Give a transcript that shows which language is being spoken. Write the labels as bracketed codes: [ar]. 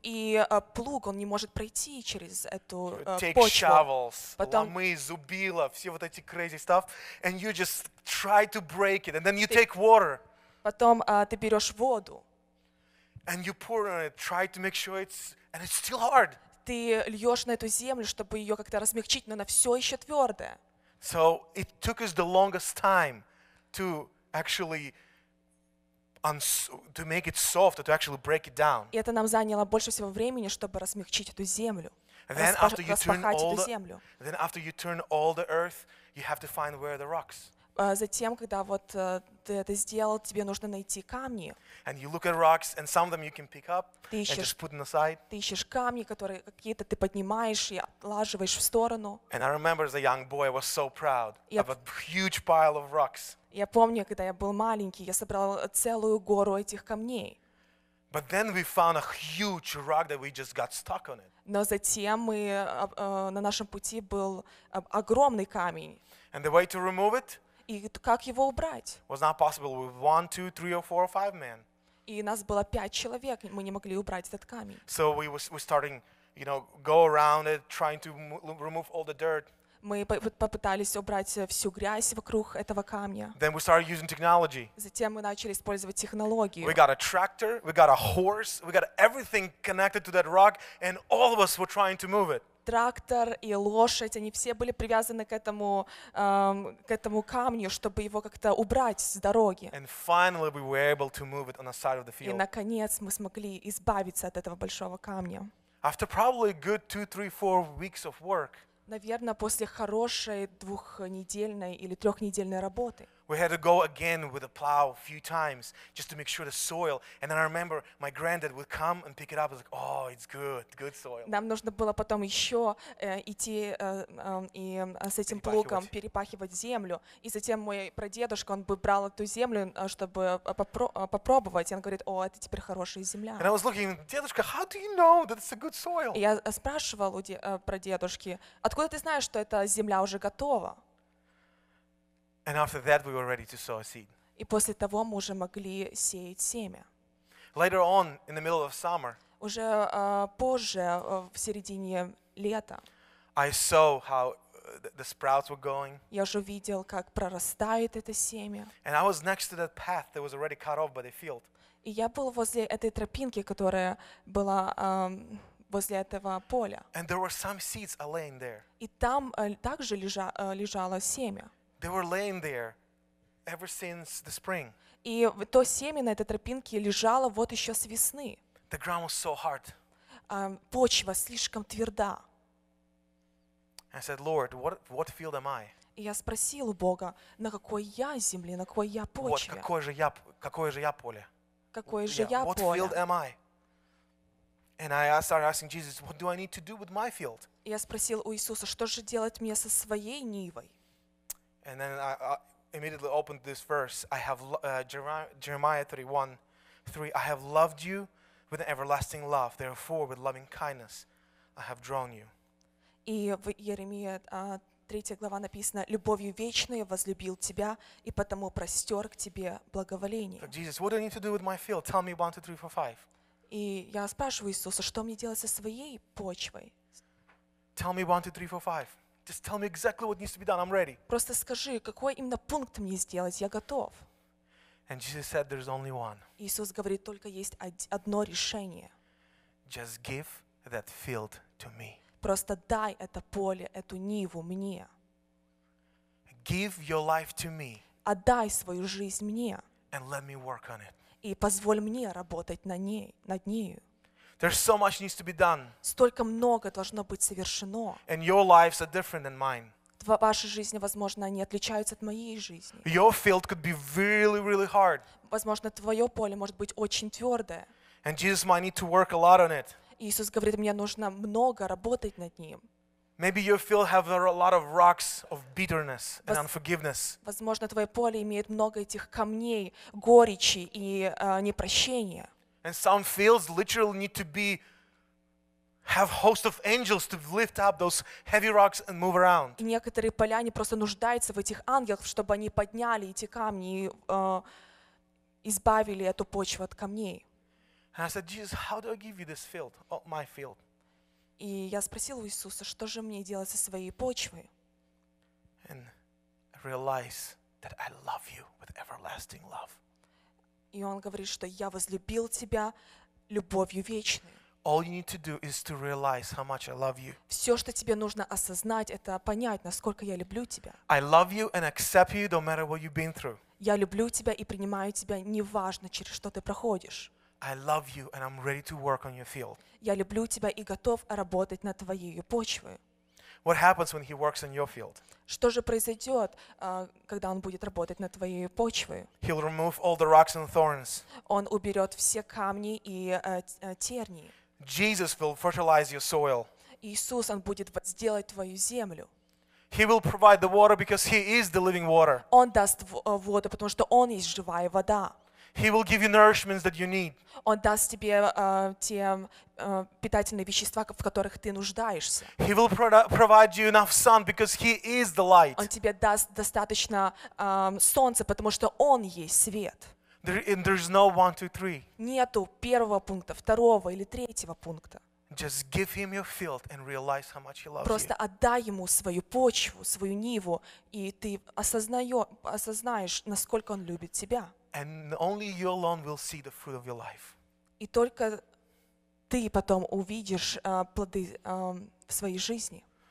[ru] И плуг, он не может пройти через эту [en] take [ru] почву. [en] Shovels, [ru] потом, ломы, зубила, все вот эти [en] crazy stuff, and you just try to break it, and then you take water. [ru] Потом ты берешь воду. [en] And you pour on it, try to make sure it's, and it's still hard. [ru] Ты льешь на эту землю, чтобы ее как-то размягчить, но она все еще твердая. [en] So it took us the longest time to actually to make it soft, to actually break it down. [ru] И это нам заняло больше всего времени, чтобы размягчить эту землю. [en] And then after you turn all the earth, you have to find where the rocks. [ru] Затем, когда вот ты это сделал, тебе нужно найти камни. [en] And you look at rocks, and some of them you can pick up [ru] ищешь, [en] and just put them aside. [ru] Ты ищешь камни, которые какие-то ты поднимаешь и отлаживаешь в сторону. [en] And I remember as a young boy, I was so proud of a huge pile of rocks. [ru] Я помню, когда я был маленький, я собрал целую гору этих камней. [en] But then we found a huge rock that we just got stuck on it. [ru] Но затем мы на нашем пути был огромный камень. [en] And the way to remove it? [ru] И как его убрать? [en] Was not possible with one, two, three, or four, or five men. [ru] И нас было пять человек, мы не могли убрать этот камень. [en] So we were starting, you know, go around it, trying to remove all the dirt. [ru] Мы попытались убрать всю грязь вокруг этого камня. [en] Then we started using technology. [ru] Затем мы начали использовать технологию. [en] We got a tractor, we got a horse, we got everything connected to that rock, and all of us were trying to move it. [ru] Трактор и лошадь, они все были привязаны к этому камню, чтобы его как-то убрать с дороги. [en] And finally we were able to move it on the side of the field. [ru] И наконец мы смогли избавиться от этого большого камня. [en] After probably a good 2-3-4 weeks of work. [ru] Наверное, после хорошей двухнедельной или трехнедельной работы. [en] We had to go again with a plow a few times just to make sure the soil. And then I remember my granddad would come and pick it up. I was like, "Oh, it's good, good soil." [ru] Нам нужно было потом еще идти и с этим плугом перепахивать землю. И затем мой прадедушка он бы брал эту землю, чтобы попробовать. И он говорит, "О, это теперь хорошая земля." [en] And I was looking, [ru] "Дедушка, [en] how do you know that it's a good soil?" [ru] Я спрашивал у прадедушки, "Откуда ты знаешь, что эта земля уже готова?" [en] And after that, we were ready to sow a seed. [ru] И после того мы уже могли сеять семя. [en] Later on, in the middle of summer. [ru] Уже позже в середине лета. [en] I saw how the sprouts were going. [ru] Я уже видел, как прорастает это семя. [en] And I was next to that path that was already cut off by the field. [ru] И я был возле этой тропинки, которая была возле этого поля. [en] And there were some seeds laying there. [ru] И там также лежало семя. [en] They were laying there ever since the spring. [ru] И то семя на этой тропинке лежало вот еще с весны. [en] The ground was so hard. [ru] Почва слишком тверда. [en] I said, Lord, what field am I? [ru] И я спросил у Бога, на какой я земле, на какой я почве? [en] What, [ru] какое же я поле? Какое же я поле? [en] What field am I? And I started asking Jesus, what do I need to do with my field? [ru] И я спросил у Иисуса, что же делать мне со своей нивой? [en] And then I immediately opened this verse. I have Jeremiah 31:3. I have loved you with an everlasting love. Therefore, with loving kindness, I have drawn you. [ru] И в Иеремии 3 глава написано: любовью вечной возлюбил тебя и потому простер к тебе благоволение. [en] Jesus, what do I need to do with my field? Tell me 1, 2, 3, 4, 5. [ru] И я спрашиваю Иисуса, что мне делать со своей почвой? [en] Tell me 1, 2, 3, 4, 5. Just tell me exactly what needs to be done. I'm ready. [ru] Просто скажи, какой именно пункт мне сделать. Я готов. [en] And Jesus said, "There's only one." [ru] Иисус говорит, только есть одно решение. [en] Just give that field to me. [ru] Просто дай это поле, эту ниву мне. [en] Give your life to me. [ru] Отдай свою жизнь мне. [en] And let me work on it. [ru] И позволь мне работать на ней, над нею. [en] There's so much needs to be done. [ru] Столько много должно быть совершено. [en] And your lives are different than mine. [ru] Ваши жизни, возможно, они отличаются от моей жизни. [en] Your field could be really, really hard. [ru] Возможно, твое поле может быть очень твердое. [en] And Jesus might need to work a lot on it. [ru] Иисус говорит, мне нужно много работать над ним. [en] Maybe your field has a lot of rocks of bitterness and unforgiveness. [ru] Возможно, твое поле имеет много этих камней горечи и непрощения. [en] And some fields literally need to be have host of angels to lift up those heavy rocks and move around. [ru] Некоторые поля не просто нуждаются в этих ангелах, чтобы они подняли эти камни и избавили эту почву от камней. [en] And I said, Jesus, how do I give you this field, oh, my field? [ru] И я спросил у Иисуса, что же мне делать со своей почвой? [en] And I realize that I love you with everlasting love. [ru] И он говорит, что я возлюбил тебя любовью вечной. [en] All you need to do is to realize how much I love you. [ru] Все, что тебе нужно осознать, это понять, насколько я люблю тебя. [en] I love you and accept you, no matter what you've been through. [ru] Я люблю тебя и принимаю тебя, неважно через что ты проходишь. [en] I love you and I'm ready to work on your field. [ru] Я люблю тебя и готов работать над твоей почвой. [en] What happens when he works on your field? [ru] Что же произойдет, когда он будет работать над твоей почвой? [en] He'll remove all the rocks and thorns. [ru] Он уберет все камни и тернии. [en] Jesus will fertilize your soil. [ru] Иисус, он будет возделать твою землю. [en] He will provide the water because he is the living water. [ru] Он даст воду, потому что он есть живая вода. [en] He will give you nourishments that you need. [ru] Он даст тебе те питательные вещества, в которых ты нуждаешься. [en] He will provide you enough sun because he is the light. [ru] Он тебе даст достаточно солнца, потому что он есть свет. [en] There's no one, two, three. [ru] Нету первого пункта, второго или третьего пункта. [en] Just give him your field and realize how much he loves you. [ru] Просто отдай ему свою почву, свою ниву, и ты осознаешь, насколько он любит тебя. [en] And only you alone will see the fruit of your life. [ru] И только ты потом увидишь плоды в своей жизни.